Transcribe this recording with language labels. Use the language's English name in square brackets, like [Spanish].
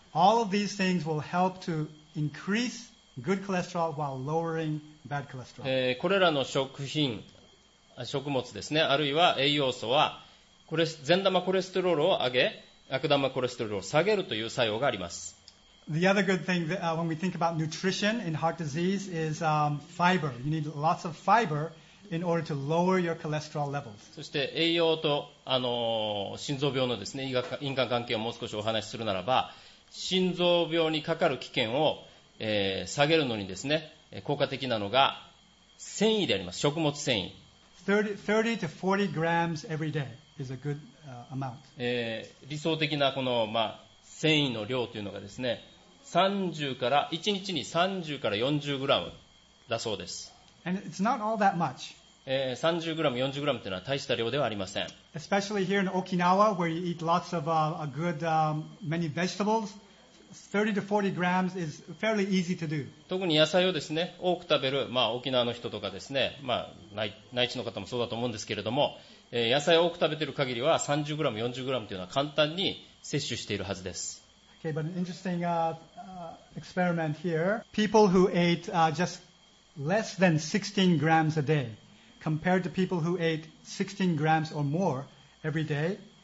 [English] All of these things will help to increaseGood cholesterol while lowering bad cholesterol. [Japanese] これらの食品、食物ですね、あるいは栄養素は善玉コレステロールを上げ、悪玉コレステロールを下げるという作用があります。 [English] The other good thing that, when we think about nutrition in heart disease is, fiber. You need lots of fiber in order to lower your cholesterol levels. [Japanese] そして栄養と、心臓病のですね、因果関係をもう少しお話しするならば、心臓病にかかる危険を下げるのにですね、効果的なのが繊維であります。食物繊維 [English] 30 to 40 grams every day is a good amount. [Japanese] 理想的なこの、まあ、繊維の量というのがですね、1日に30から40グラムだそうです。 [English] And it's not all that much. [Japanese] 30グラム、40グラムというのは大した量ではありません。 [English] Especially here in Okinawa, where you eat lots of good many vegetables, 30 to 40 grams is fairly easy to do. [Japanese] 特に野菜をですね、多く食べる、まあ、沖縄の人とかですね、まあ、内地の方もそうだと思うんですけれども、野菜を多く食べている限りは30グラム、40グラムというのは簡単に摂取しているはずです。 [English] Okay, but an interesting experiment here. People who ate just less than 16 grams a day. Compared to people who ate 16 grams or more every day,